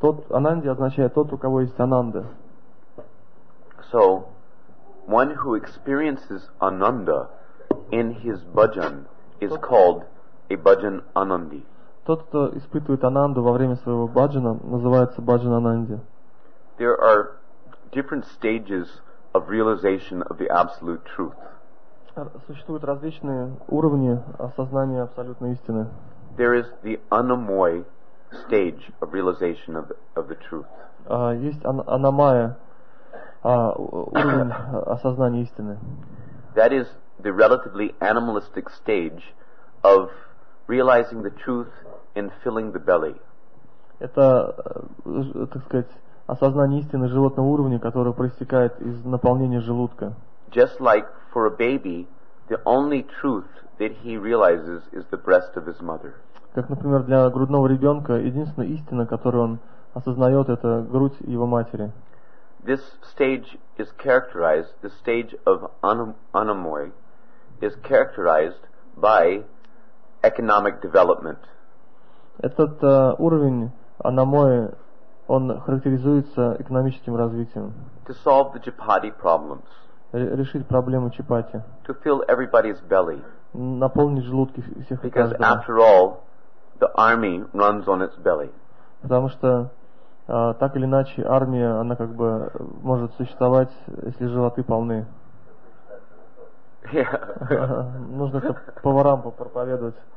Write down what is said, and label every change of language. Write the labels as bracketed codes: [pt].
[ru] Ананди означает тот, у кого есть Ананда. [en] So, one who experiences Ананда in his bhajan is called a bhajan anandi. [ru] Тот, кто испытывает ананду во время своего бхаджана, называется бхаджан ананди. [en] There are different stages of realization of the absolute truth. [ru] Существуют различные уровни осознания абсолютной истины. [en] There is the anamoy stage of realization of the truth. [ru] Есть анамая, уровень осознания истины. [en] That is the relatively animalistic stage of realizing the truth and filling the belly. [ru] Это, так сказать, осознание истины животного уровня, которое проистекает из наполнения желудка. [en] Just like for a baby, the only truth that he realizes is the breast of his mother. [ru] Как, например, для грудного ребенка единственная истина, которую он осознает, это грудь его матери. [en] This stage is characterized, the stage of anamoy, is characterized by economic development. [ru] Этот уровень анамоя, он характеризуется экономическим развитием. [en] To solve the chapati problems. [ru] Решить проблему чапати. [en] To fill everybody's belly. [ru] Наполнить желудки всех. [en] Because after all, the army runs on its belly. [ru] Потому что так или иначе армия, она как бы может существовать, если животы полны. Yeah. Нужно это поварам попроповедовать.